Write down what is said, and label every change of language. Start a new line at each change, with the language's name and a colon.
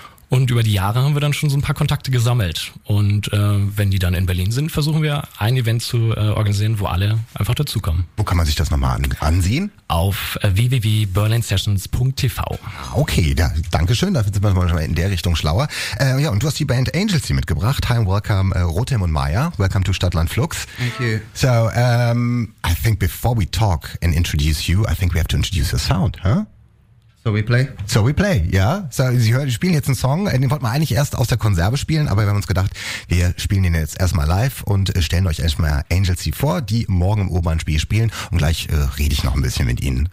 German: Und über die Jahre haben wir dann schon so ein paar Kontakte gesammelt. Und wenn die dann in Berlin sind, versuchen wir ein Event zu organisieren, wo alle einfach dazukommen. Wo kann man sich das nochmal ansehen? Auf www.berlinsessions.tv. Okay, ja, danke schön. Da sind wir schon mal in der Richtung schlauer. Ja, und du hast die Band Angel C mitgebracht.
English: Hi and welcome, Rotem und Maya. Welcome to Stadtland Flux. Thank you. So, I think before we talk and introduce you, I think we have to introduce the sound, huh? So we play,
German: ja. So, Sie hören, wir spielen jetzt einen Song, den wollten wir eigentlich erst aus der Konserve spielen, aber wir haben uns gedacht, wir spielen den jetzt erstmal live und stellen euch erstmal Angel C vor, die morgen im Oberen Spree spielen und gleich rede ich noch ein bisschen mit Ihnen.